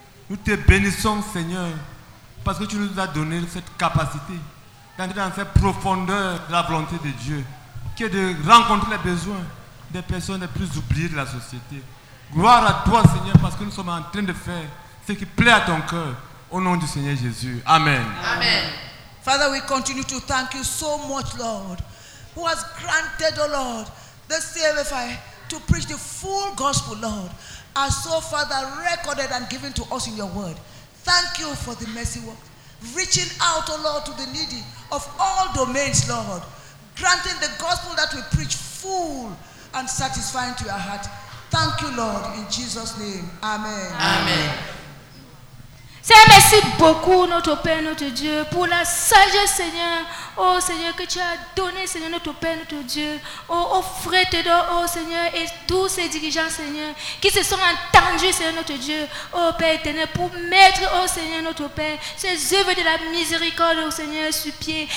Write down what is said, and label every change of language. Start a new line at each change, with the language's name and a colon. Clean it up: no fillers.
French: Nous te bénissons, Seigneur, parce que tu nous as donné cette capacité d'entrer dans cette profondeur de la volonté de Dieu, qui est de rencontrer les besoins des personnes les plus oubliées de la société. Gloire à toi, Seigneur, parce que nous sommes en train de faire ce qui plaît à ton cœur, au nom du Seigneur Jésus. Amen. Amen.
English: Father, we continue to thank you so much, Lord, who has granted, oh Lord, the CMFI to preach the full gospel, Lord, as so, Father, recorded and given to us in your word. Thank you for the mercy work, reaching out, oh Lord, to the needy of all domains, Lord, granting the gospel that we preach full and satisfying to your heart. Thank you, Lord, in Jesus' name. Amen. Amen.
French: Seigneur, merci beaucoup, notre Père, notre Dieu, pour la sagesse, Seigneur. Oh, Seigneur, que tu as donné, Seigneur, notre Père, notre Dieu. Oh, offrez tes dons, oh, Seigneur, et tous ces dirigeants, Seigneur, qui se sont entendus, Seigneur, notre Dieu, oh, Père éternel, pour mettre, oh, Seigneur, notre Père, ces œuvres de la miséricorde, oh, Seigneur, sur pied.